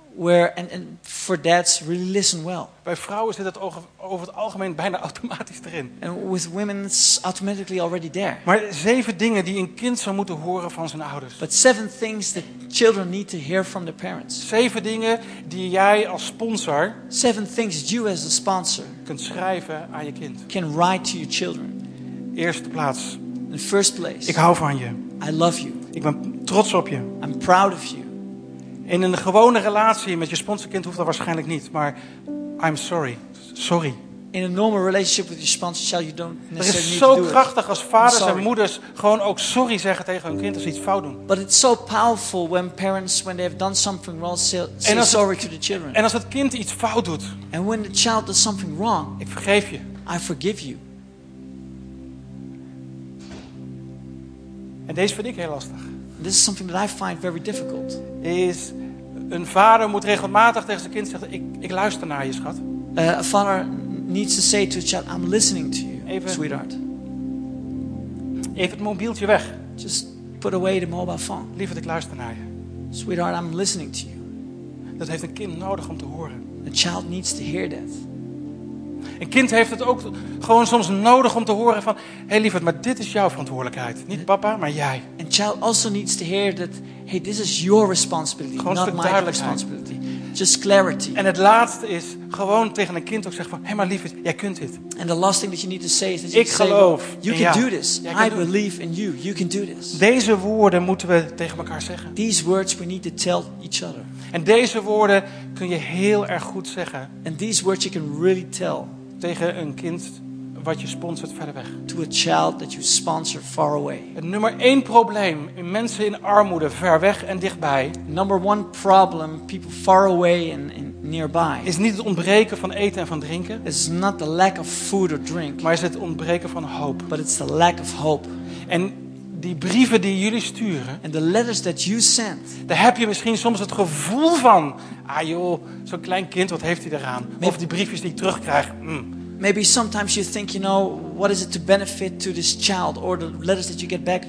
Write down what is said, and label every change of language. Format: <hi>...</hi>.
<en>Where and for dads really listen well.</en> <nl>Bij vrouwen zit het over het algemeen bijna automatisch erin.</nl> <en>And with women it's automatically already there.</en> <nl>Maar zeven dingen die een kind zou moeten horen van zijn ouders.</nl> <en>But seven things that children need to hear from their parents.</en> <nl>Zeven dingen die jij als sponsor.</nl> <en>Seven things you as a sponsor.</en> <nl>Kunt schrijven aan je kind.</nl> <en>Can write to your children.</en> <nl>Eerste plaats.</nl> <en>In first place.</en> <nl>Ik hou van je.</nl> <en>I love you.</en> <nl>Ik ben trots op je.</nl> <en>I'm proud of you.</en> <nl>In een gewone relatie met je sponsorkind hoeft dat waarschijnlijk niet, maar</nl> <en>I'm sorry. Sorry. In a normal relationship with your sponsor child, you don't necessarily need to do it. Het</en> <nl>is zo krachtig als vaders en moeders gewoon ook sorry zeggen tegen hun kind als ze iets fout doen.</nl> <en>But it's so powerful when parents, when they have done something wrong, say sorry to the children.</en> <nl>En als het kind iets fout doet.</nl> <en>And when the child does something wrong.</en> <nl>Ik vergeef je.</nl> <en>I forgive you.</en> <nl>En deze vind ik heel lastig.</nl> <en>This is something that I find very difficult.</en> <nl>Is een vader moet regelmatig tegen zijn kind zeggen: ik luister naar je, schat.</nl> <en>A father needs to say to a child, I'm listening to you, even, sweetheart.</en> <nl>Even het mobieltje weg.</nl> <en>Just put away the mobile phone.</en> <nl>Lieverd, ik luister naar je.</nl> <en>Sweetheart, I'm listening to you.</en> <nl>Dat heeft een kind nodig om te horen.</nl> <en>A child needs to hear that.</en> <nl>Een kind heeft het ook gewoon soms nodig om te horen van, hey lieverd, maar dit is jouw verantwoordelijkheid, niet papa, maar jij.</nl> <en>And child also needs to hear that, hey, this is your responsibility,</en> <nl>gewoon</nl> <en>not my responsibility. Just clarity.</en> <nl>En het laatste is gewoon tegen een kind ook zeggen van, hey maar lieverd, jij kunt dit.</nl> <en>And the last thing that you need to say is that</en> <nl>ik geloof in jou.</nl> <en>You can do this. I believe in you. You can do this.</en> <nl>Deze woorden moeten we tegen elkaar zeggen.</nl> <en>These words we need to tell each other.</en> <nl>En deze woorden kun je heel erg goed zeggen.</nl> <en>And these words you can really tell.</en> <nl>Tegen een kind wat je sponsort verder weg.</nl> <en>To a child that you sponsor far away.</en> <nl>Het nummer één probleem in mensen in armoede ver weg en dichtbij.</nl> <en>Number one problem people far away and nearby.</en> <nl>Is niet het ontbreken van eten en van drinken.</nl> <en>It's not the lack of food or drink.</en> <nl>Maar is het ontbreken van hoop.</nl> <en>But it's the lack of hope.</en> <nl>En die brieven die jullie sturen.</nl> <en>And the letters that you send.</en> <nl>Daar heb je misschien soms het gevoel van. Ah joh, zo'n klein kind, wat heeft hij eraan? Of die briefjes die ik terugkrijg.</nl> <en>Maybe sometimes you think, you know, what is it to benefit to this child or the letters that you get back?</en>